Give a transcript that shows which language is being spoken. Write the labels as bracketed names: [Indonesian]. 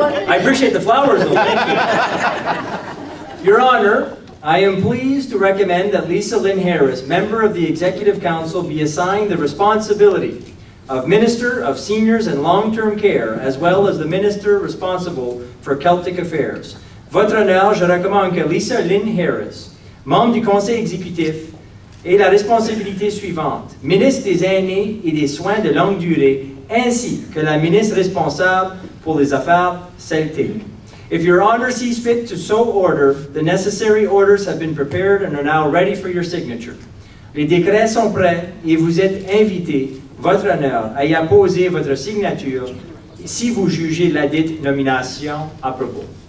[English] I appreciate the flowers, though. Thank you. Your Honor, I am pleased to recommend that Lisa Lynn Harris, member of the Executive Council, be assigned the responsibility of Minister of Seniors and Long-Term Care, as well as the Minister responsible for Celtic Affairs. [French] Votre Honneur, je recommande que Lisa Lynn Harris, membre du Conseil exécutif, ait la responsabilité suivante. Ministre des Aînés et des Soins de longue durée, ainsi que la ministre responsable pour les affaires celtiques. [English] If your honor sees fit to so order, the necessary orders have been prepared and are now ready for your signature. [French] Les décrets sont prêts et vous êtes invité, votre honneur, à y apposer votre signature si vous jugez la dite nomination à propos.